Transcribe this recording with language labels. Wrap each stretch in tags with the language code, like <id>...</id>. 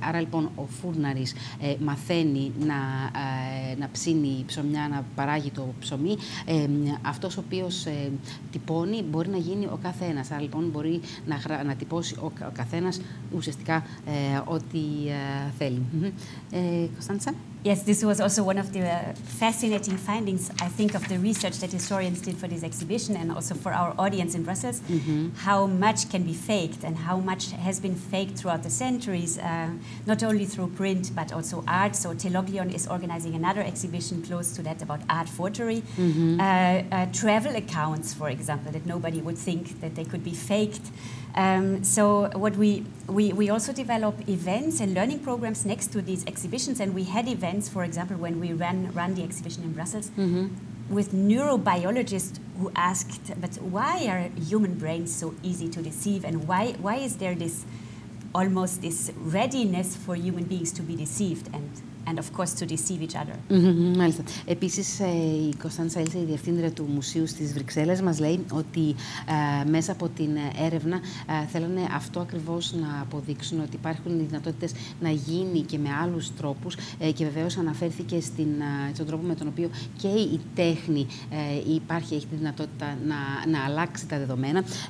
<el>Άρα λοιπόν ο Φούρναρης μαθαίνει να ψήνει ψωμιά, να παράγει το ψωμί. Αυτός ο οποίος τυπώνει μπορεί να γίνει ο καθένας. Άρα λοιπόν μπορεί να τυπώσει ο καθένας ουσιαστικά ό,τι θέλει. Κωνστάντσα.</el> <en>Yes, this was also one of the fascinating findings, I think, of the research that historians did for this exhibition and also for our audience in Brussels. Mm-hmm. How much can be faked and how much has been faked throughout the centuries, not only through print but also art. So Teloglion is organizing another exhibition close to that about art forgery. Mm-hmm. Travel accounts, for example, that nobody would think that they could be faked. So what we also develop events and learning programs next to these exhibitions, and we had events, for example, when we ran the exhibition in Brussels, mm-hmm. with neurobiologists who asked, but why are human brains so easy to deceive, and why is there this almost this readiness for human beings to be deceived and of course to deceive each other.</en> <el>Mm-hmm, μάλιστα. Επίσης, η Κωνσταντσα Έλσα, η διευθύντρια του Μουσείου στις Βρυξέλλες, μας λέει ότι μέσα από την έρευνα θέλανε αυτό ακριβώς να αποδείξουν, ότι υπάρχουν οι δυνατότητες να γίνει και με άλλους τρόπους, και βεβαίως αναφέρθηκε στον τρόπο με τον οποίο και η τέχνη έχει τη δυνατότητα να αλλάξει τα δεδομένα.</el>